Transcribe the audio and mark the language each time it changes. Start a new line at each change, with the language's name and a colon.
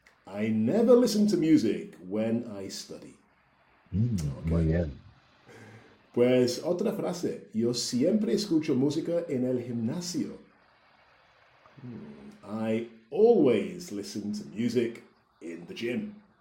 English: I never listen to music when I study.
Spanish: Okay. Muy bien. Pues otra frase, yo siempre escucho música en el gimnasio.
English: I always listen to music in the gym.